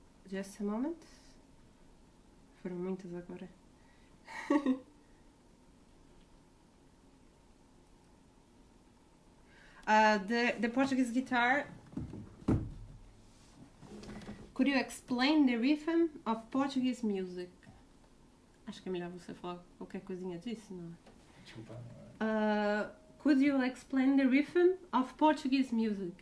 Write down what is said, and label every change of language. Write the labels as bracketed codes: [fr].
[en] Just a moment. [pt] Foram muitas agora. [en] the Portuguese guitar. Could you explain the rhythm of Portuguese music? [pt] Acho que é melhor você falar qualquer coisinha disso, não é? Desculpa. [en] Could you explain the rhythm of Portuguese music?